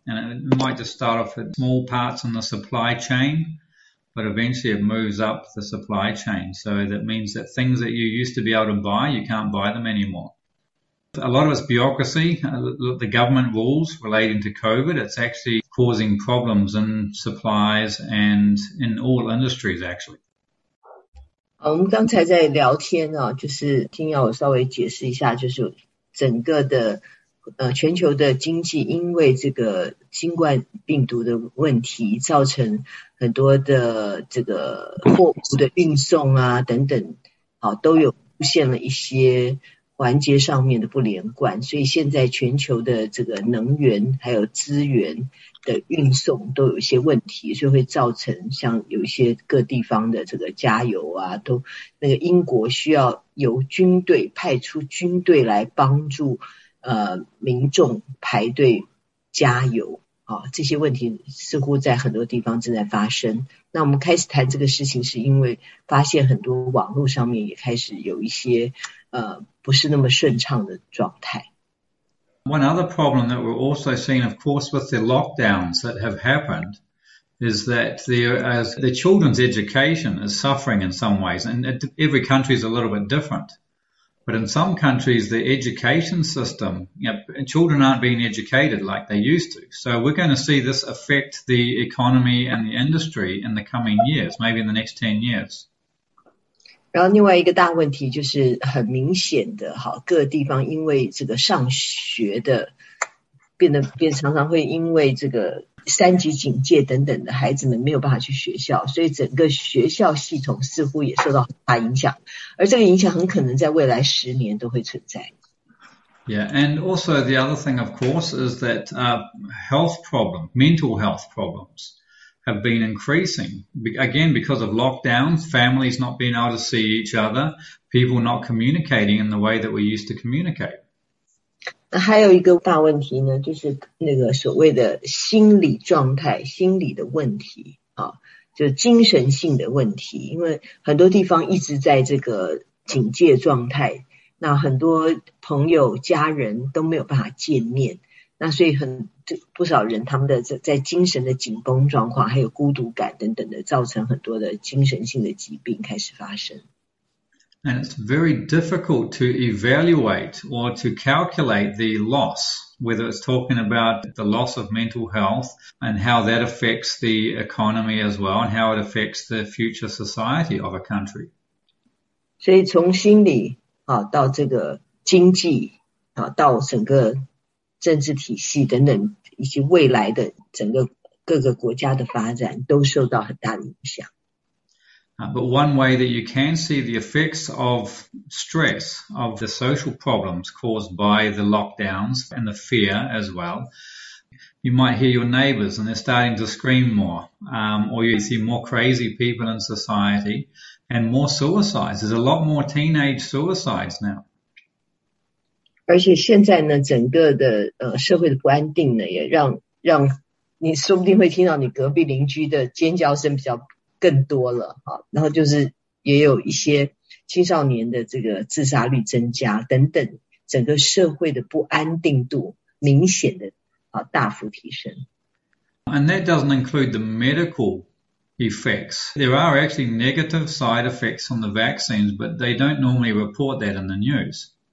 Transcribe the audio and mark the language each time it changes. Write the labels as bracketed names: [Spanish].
[English] And it might just start off at small parts in the supply chain, but eventually it moves up the supply chain. So that means that things that you used to be able to buy, you can't buy them anymore. A lot of it's bureaucracy, the government rules relating to COVID. It's actually causing problems in supplies and in all industries, actually. [Chinese] 我们刚才在聊天啊，就是听要我稍微解释一下，就是整个的全球的经济因为这个新冠病毒的问题，造成很多的这个货物的运送啊等等，都有出现了一些环节上面的不连贯，所以现在全球的这个能源还有资源的运送都有一些问题，所以会造成像有一些各地方的这个加油啊，都那个英国需要由军队派出军队来帮助民众排队加油啊，这些问题似乎在很多地方正在发生。那我们开始谈这个事情，是因为发现很多网络上面也开始有一些不是那么顺畅的状态。 [English] One other problem that we're also seeing, of course, with the lockdowns that have happened, is that the children's education is suffering in some ways. And every country is a little bit different. But in some countries, the education system, children aren't being educated like they used to. So we're going to see this affect the economy and the industry in the coming years, maybe in the next 10 years. [Chinese] 然后另外一个大问题就是很明显的哈，各地方因为这个上学的变常常会因为这个三级警戒等等的孩子们没有办法去学校，所以整个学校系统似乎也受到很大影响，而这个影响很可能在未来10年都会存在。 [English] Yeah, and also the other thing, of course, is that health problems, mental health problems have been increasing. Again, because of lockdowns, families not being able to see each other, people not communicating in the way that we used to communicate. [Chinese] 那还有一个大问题呢，就是那个所谓的心理状态、心理的问题啊，就精神性的问题。因为很多地方一直在这个警戒状态，那很多朋友、家人都没有办法见面，那所以不少人他们的在精神的紧绷状况，还有孤独感等等的，造成很多的精神性的疾病开始发生。 [English] And it's very difficult to evaluate or to calculate the loss, whether it's talking about the loss of mental health and how that affects the economy as well, and how it affects the future society of a country. [Chinese] 所以从心理啊到这个经济啊到整个政治体系等等，以及未来的整个各个国家的发展，都受到很大的影响。 [English] But one way that you can see the effects of stress, of the social problems caused by the lockdowns and the fear as well, you might hear your neighbors and they're starting to scream more, or you see more crazy people in society and more suicides. There's a lot more teenage suicides now. [Chinese] 而且现在呢，整个的社会的不安定呢，也让你说不定会听到你隔壁邻居的尖叫声比较更多了啊。然后就是也有一些青少年的这个自杀率增加等等，整个社会的不安定度明显的大幅提升。 [English] And that doesn't include the medical effects. There are actually negative side effects on the vaccines, but they don't normally report that in the news.